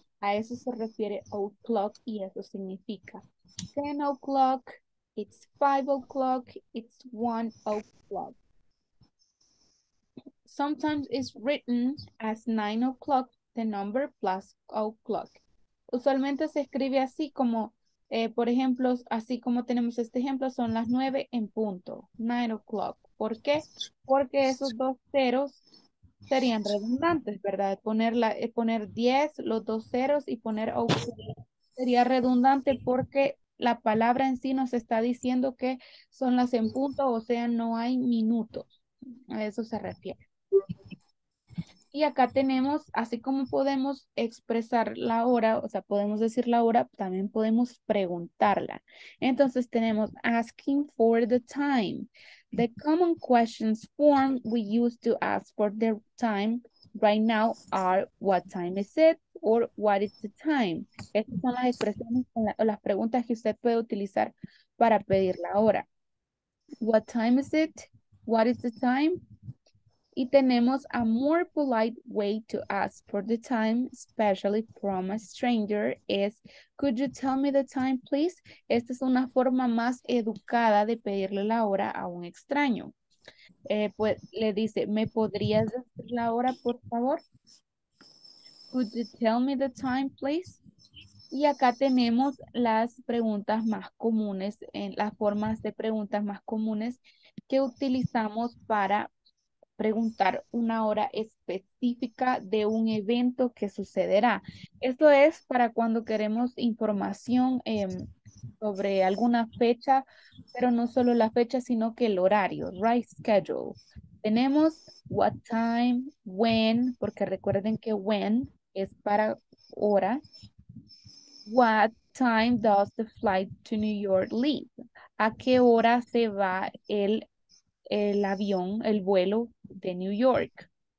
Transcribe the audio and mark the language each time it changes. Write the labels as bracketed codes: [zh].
[es] A eso se refiere o'clock y eso significa 10 o'clock, [en] it's 5 o'clock, it's 1 o'clock. Sometimes it's written as 9 o'clock, the number plus o'clock. [es] Usualmente se escribe así como, por ejemplo, así como tenemos este ejemplo, son las 9 en punto, 9 o'clock. ¿Por qué? Porque esos dos ceros serían redundantes, ¿verdad? Poner 10, los dos ceros y poner o'clock sería redundante porque la palabra en sí nos está diciendo que son las en punto, o sea, no hay minutos. A eso se refiere. Y acá tenemos, así como podemos expresar la hora, o sea, podemos decir la hora, también podemos preguntarla. Entonces tenemos [en] asking for the time. The common questions form we use to ask for the time right now are what time is it or what is the time. [es] Estas son las expresiones o las preguntas que usted puede utilizar para pedir la hora. [en] What time is it? What is the time? [es] Y tenemos [en] a more polite way to ask for the time, especially from a stranger, is could you tell me the time, please? [es] Esta es una forma más educada de pedirle la hora a un extraño. Pues le dice, ¿me podrías decir la hora, por favor? [en] Could you tell me the time, please? [es] Y acá tenemos las preguntas más comunes, las formas de preguntas más comunes que utilizamos para preguntar una hora específica de un evento que sucederá. Esto es para cuando queremos información sobre alguna fecha, pero no solo la fecha, sino que el horario, right? Schedule. Tenemos [en] what time, [es] when, porque recuerden que when es para hora. [en] What time does the flight to New York leave? [es] ¿A qué hora se va el avión, el vuelo de New York?